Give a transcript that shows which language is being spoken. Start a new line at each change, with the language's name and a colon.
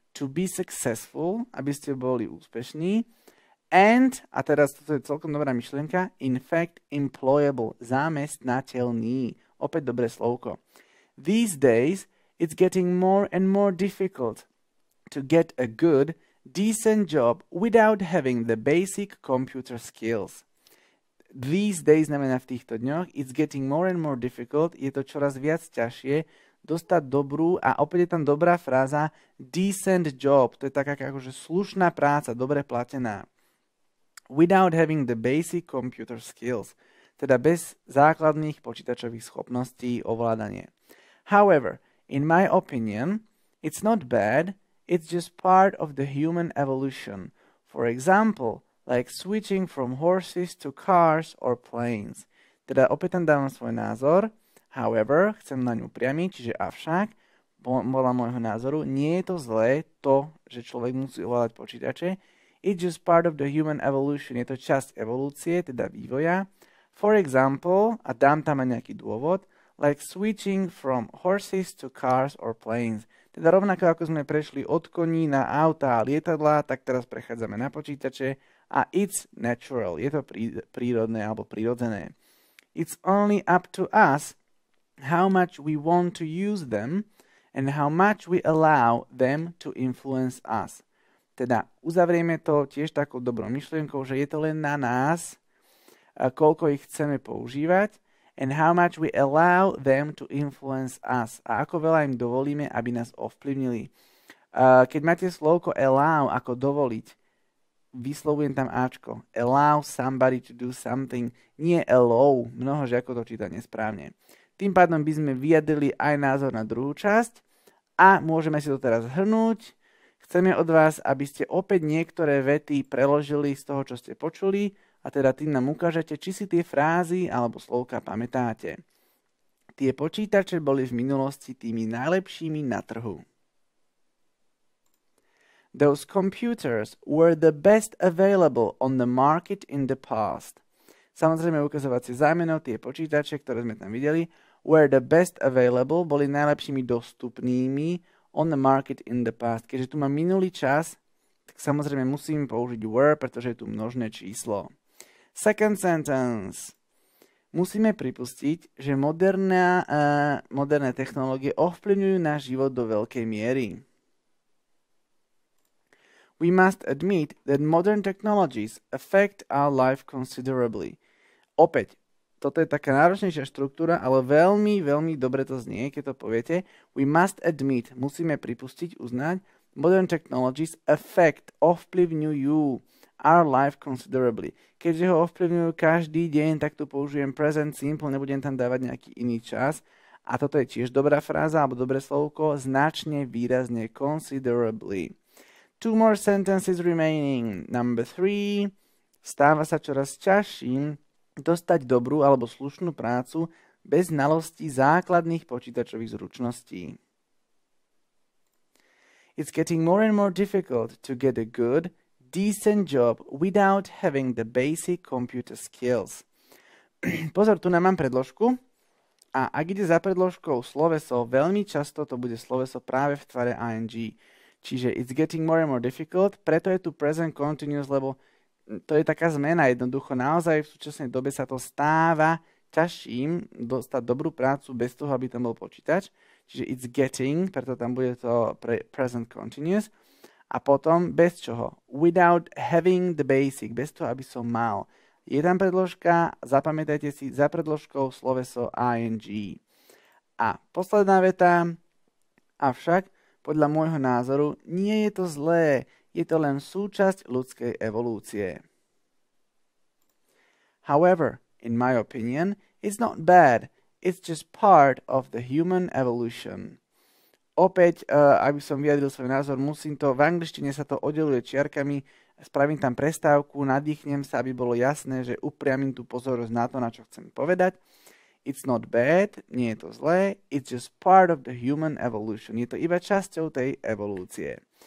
English: To be successful,
Slovak: aby ste boli úspešní, and, a teraz toto je celkom dobrá myšlienka,
English: in fact, employable,
Slovak: zamestnateľný, opäť dobré slovko.
English: These days, it's getting more and more difficult to get a good, decent job without having the basic computer skills. These days
Slovak: znamená v týchto dňoch.
English: It's getting more and more difficult.
Slovak: Je to čoraz viac ťažšie dostať dobrú, a opäť je tam dobrá fráza,
English: decent job.
Slovak: To je taká akože slušná práca, dobre platená.
English: Without having the basic computer skills.
Slovak: Teda bez základných počítačových schopností ovládanie.
English: However, in my opinion, it's not bad. It's just part of the human evolution. For example, like switching from horses to cars or planes.
Slovak: Teda opäť tam dávam svoj názor. However, chcem na ňu priamiť, čiže avšak, bola môjho názoru, nie je to zlé to, že človek musí ovládať počítače.
English: It's just part of the human evolution.
Slovak: Je to časť evolúcie, teda vývoja.
English: For example,
Slovak: a dám tam aj nejaký dôvod,
English: like switching from horses to cars or planes.
Slovak: Teda rovnako ako sme prešli od koní na auta a lietadla, tak teraz prechádzame na počítače. A
English: it's natural,
Slovak: je to prírodné alebo prirodzené.
English: It's only up to us how much we want to use them and how much we allow them to influence us.
Slovak: Teda uzavrieme to tiež takou dobrou myšlienkou, že je to len na nás, koľko ich chceme používať,
English: and how much we allow them to influence us.
Slovak: A ako veľa im dovolíme, aby nás ovplyvnili. Keď máte slovko allow, ako dovoliť, vyslovujem tam áčko.
English: Allow somebody to do something. Nie allow.
Slovak: Mnoho žiakov to číta nesprávne. Tým pádom by sme vyjadrili aj názor na druhú časť. A môžeme si to teraz zhrnúť. Chceme od vás, aby ste opäť niektoré vety preložili z toho, čo ste počuli. A teda tým nám ukážete, či si tie frázy alebo slovka pamätáte. Tie počítače boli v minulosti tými najlepšími na trhu.
English: Those computers were the best available on the market in the past.
Slovak: Samozrejme ukazovacie zámeno, tie počítače, ktoré sme tam videli,
English: were the best available,
Slovak: boli najlepšími dostupnými
English: on the market in the past.
Slovak: Keďže tu mám minulý čas, tak samozrejme musím použiť were, pretože je tu množné číslo.
English: Second sentence.
Slovak: Musíme pripustiť, že moderné technológie ovplyvňujú náš život do veľkej miery.
English: We must admit that modern technologies affect our life considerably.
Slovak: Opäť, toto je taká náročnejšia štruktúra, ale veľmi, veľmi dobre to znie, keď to poviete.
English: We must admit,
Slovak: musíme pripustiť, uznať,
English: modern technologies affect,
Slovak: ovplyvňujú
English: our life considerably.
Slovak: Keďže ho ovplyvňujú každý deň, tak tu použijem present simple, nebudem tam dávať nejaký iný čas. A toto je tiež dobrá fráza, alebo dobré slovko, značne, výrazne, considerably.
English: Two more sentences remaining. Number three.
Slovak: Stáva sa čoraz ťažším dostať dobrú alebo slušnú prácu bez znalostí základných počítačových zručností.
English: It's getting more and more difficult to get a good, decent job without having the basic computer skills.
Slovak: Pozor, tu nám mám predložku. A ak ide za predložkou sloveso, veľmi často to bude sloveso práve v tvare ing. Čiže
English: it's getting more and more difficult,
Slovak: preto je tu present continuous, lebo to je taká zmena, jednoducho naozaj v súčasnej dobe sa to stáva ťažším dostať dobrú prácu bez toho, aby tam bol počítač. Čiže
English: it's getting,
Slovak: preto tam bude to present continuous. A potom bez čoho?
English: Without having the basic,
Slovak: bez toho, aby som mal. Je tam predložka, zapamätajte si, za predložkou sloveso ing. A posledná veta, avšak, podľa môjho názoru, nie je to zlé, je to len súčasť ľudskej evolúcie.
English: However, in my opinion, it's not bad, it's just part of the human evolution.
Slovak: Opäť, aby som vyjadril svoj názor, musím to, v angličtine sa to oddeluje čiarkami, spravím tam prestávku, nadýchnem sa, aby bolo jasné, že upriamím tú pozornosť na to, na čo chcem povedať.
English: It's not bad,
Slovak: nie je to zlé,
English: it's just part of the human evolution.
Slovak: Je to iba časťou tej evolúcie.